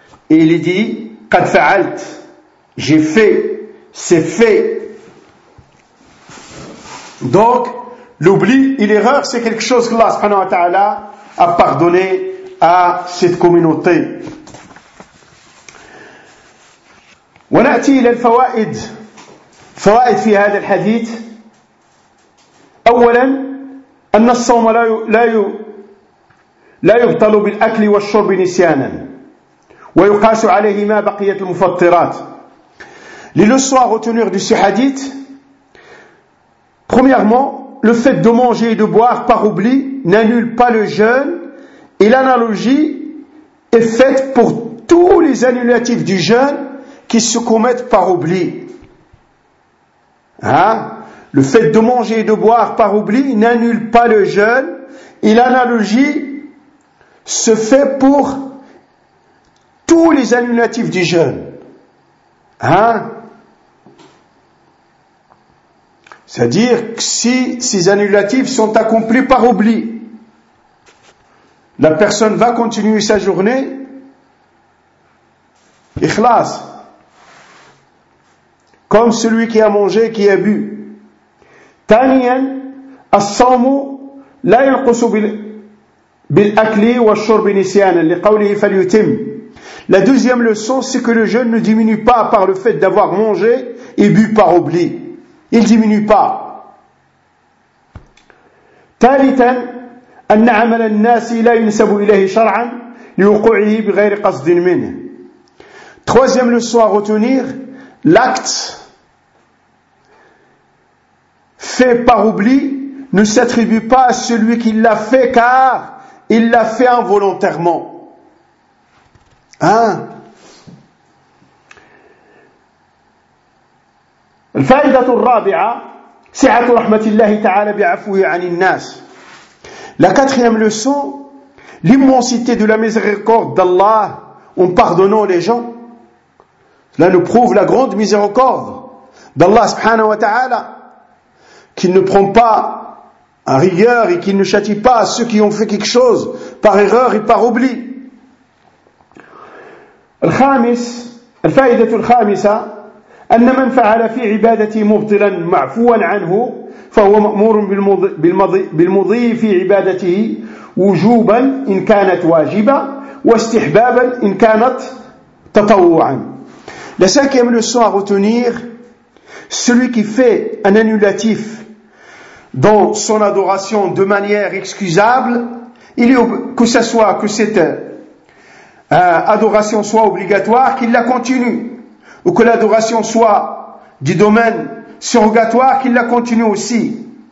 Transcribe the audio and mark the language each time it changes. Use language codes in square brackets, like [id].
[fr] Et il dit: [ar] Qad fa'alt, [fr] j'ai fait, c'est fait. Donc, l'oubli et l'erreur, c'est quelque chose que Allah subhanahu wa ta'ala a pardonné à cette communauté. [ar] ونأتي إلى الفوائد، فوائد في هذا الحديث. أولا، أن الصوم لا يبطل بالأكل والشرب نسيانا، ويقاس عليه ما بقية المفطرات. [fr] للصوار retenir de ce hadith: premièrement, le fait de manger et de boire par oubli n'annule pas le jeûne, et l'analogie est faite pour tous les annulatifs du jeûne qui se commettent par oubli. Hein? Le fait de manger et de boire par oubli n'annule pas le jeûne, et l'analogie se fait pour tous les annulatifs du jeûne. Hein? C'est-à-dire que si ces annulatifs sont accomplis par oubli, la personne va continuer sa journée, ikhlas, comme celui qui a mangé et qui a bu. [ar] ثانيا الصوم لا ينقص بالأكل والشرب نسيانا لقوله فليتم. [fr] La deuxième leçon, c'est que le jeûne ne diminue pas par le fait d'avoir mangé et bu par oubli. Il ne diminue pas. [ar] ثالثا أن عمل الناس لا ينسب إليه شرعا لوقوعه بغير قصد منه. [fr] Troisième leçon à retenir, l'acte fait par oubli ne s'attribue pas à celui qui l'a fait, car il l'a fait involontairement. Hein? [ar] الفائدة الرابعة سعة رحمة الله تعالى بعفوه عن الناس. [fr] La quatrième leçon, l'immensité de la miséricorde d'Allah en pardonnant les gens. Cela nous prouve la grande miséricorde d'Allah subhanahu wa ta'ala, qu'il ne prend pas à rigueur et qu'il ne châtie pas ceux qui ont fait quelque chose par erreur et par oubli. [ar] الخامس الفائدة الخامسة أن من فعل في عبادته مبطلا معفوا عنه فهو مأمور بالمضي في عبادته وجوبا إن كانت واجبة واستحبابا إن كانت تطوعا. [fr] La cinquième leçon à retenir, celui qui fait un annulatif dans son adoration de manière excusable, il est, que ce soit que cette adoration soit obligatoire, qu'il la continue, ou que l'adoration soit du domaine surrogatoire, qu'il la continue aussi.